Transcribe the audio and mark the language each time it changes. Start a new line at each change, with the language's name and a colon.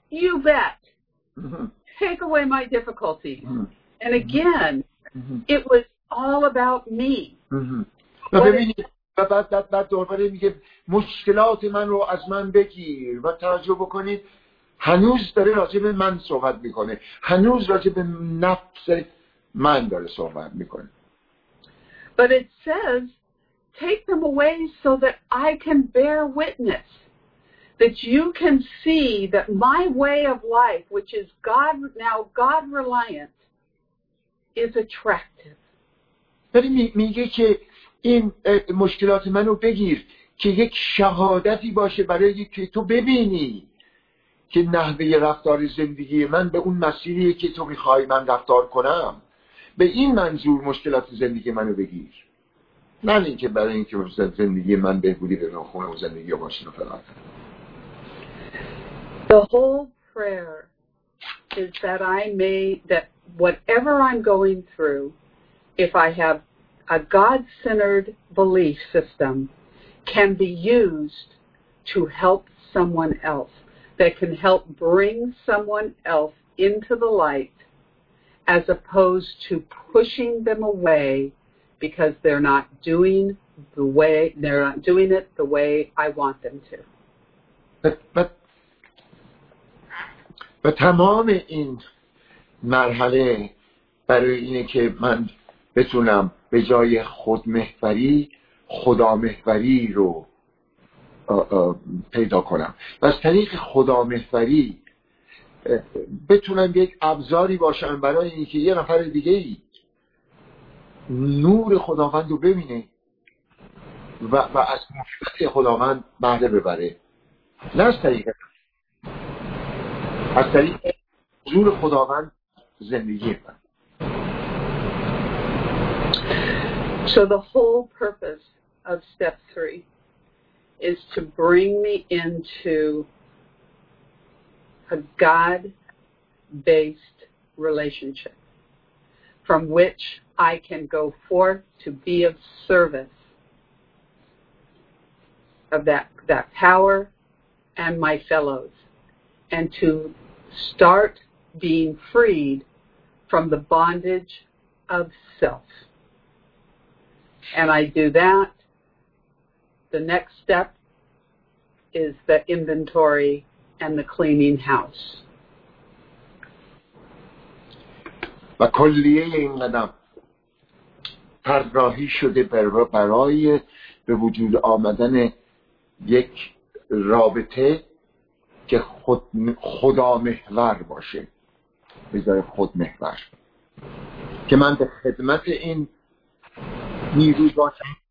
English: You bet. Take away my difficulties. And again, It was all about me.
Persian: و ببینید و بعد دوباره میگه مشکلات من رو از من بگیر و توجه بکنید هنوز داره راجع به من صحبت میکنه، هنوز راجع به نفس من داره صحبت میکنه.
English: But it says take them away so that I can bear witness, that you can see that my way of life, which is God, now God reliant, is attractive.
Persian: داری میگه که این مشکلات منو بگیر که یک شهادتی باشه برای که تو ببینی که نحوه رفتار زندگی من به اون مسیریه که تو میخوای من رفتار کنم. به این منظور مشکلات زندگی منو بگیر، نه اینکه برای اینکه زندگی من بهبودی به من خونه و زندگی و ماشین و فلان.
English: The whole prayer is that I may, that whatever I'm going through, if I have a God-centered belief system, can be used to help someone else, that can help bring someone else into the light, as opposed to pushing them away because they're not doing the way, they're not doing it the way I want them to.
Persian: و تمام این مرحله برای اینه که من بتونم به جای خودمحوری خدامحوری رو پیدا کنم و از طریق خدامحوری بتونم یک ابزاری باشم برای اینکه یه نفر دیگه ای نور خداوند رو ببینه و از محبت خداوند بهره ببره، نه از طریق حضور خداوند زندگی من.
English: So the whole purpose of step three is to bring me into a God-based relationship from which I can go forth to be of service of that power and my fellows, and to start being freed from the bondage of self. And I do that. The next step is the inventory and the cleaning house.
Persian: و کلیه این قدم طراحی شده برای به وجود آمدن یک رابطه که خدا محور باشه، به جای خود محور، که من به خدمت این نیرو باشم